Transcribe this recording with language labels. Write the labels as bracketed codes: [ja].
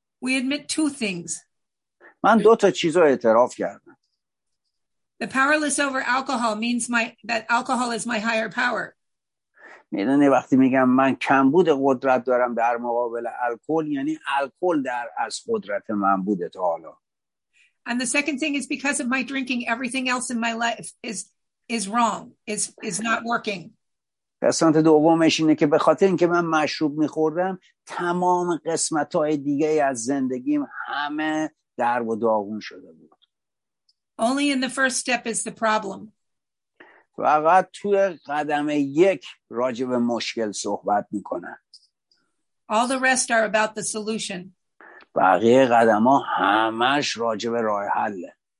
[en] We admit two things. [fa] من دو تا چیز رو اعتراف کردم. [en] The powerless over alcohol means that alcohol is my higher power. [fa] میدونی وقتی میگم من کمبود قدرت دارم در مقابل الکل یعنی الکل در از قدرت من بوده تا حالا. [en] And the second thing is because of my drinking everything else in my life is wrong. Is not working. [fa] قسمت دومش اینه که به خاطر اینکه من مشروب میخوردم تمام قسمت‌های دیگه از زندگیم همه درب و داغون شده بود. [en] Only in the first step is the problem. [fa] فقط توی قدم یک راجع به مشکل صحبت میکنن. [en] All the rest are about the solution. [fa] بقیه قدم‌ها همش راجع به راه حله.